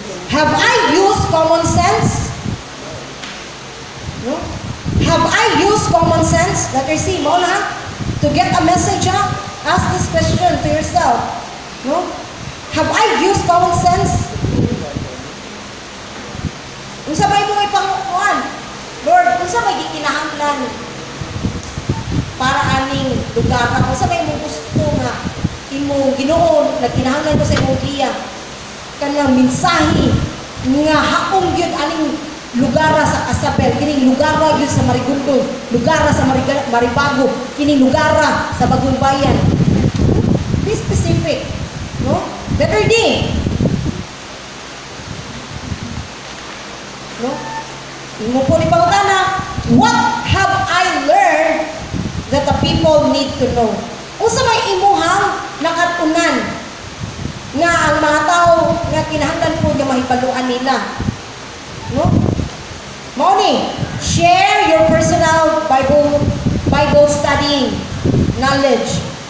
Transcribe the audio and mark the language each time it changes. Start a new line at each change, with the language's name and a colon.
English: Have I used common sense? No? Have I used common sense? Letter C, Mona, to get a message, ha? Ask this question to yourself. No? Have I used common sense?
Cebuano: Unsa ba imong ipanguwan? Lord, unsa ba gikinahanglan para aning lugar? Unsa ba imong gusto nga imong Ginoo na kinahanglan ko sa imong diya? Kanang mensahe nga hapong gyud aning lugar sa Asabel, kining lugar gyud sa Marigundo, lugar sa Maribago, kining lugar sa Bagumbayan.
English: Be specific. No? Letter D. No?
Cebuano: Imo po ni pangutana,
English: what have I learned that the people need to know?
Cebuano: Unsa may imuhang nakatunan nga ang mga tao nga kinahanglan po nga mahibaluan nila? No?
English: Moni, share your personal Bible studying knowledge.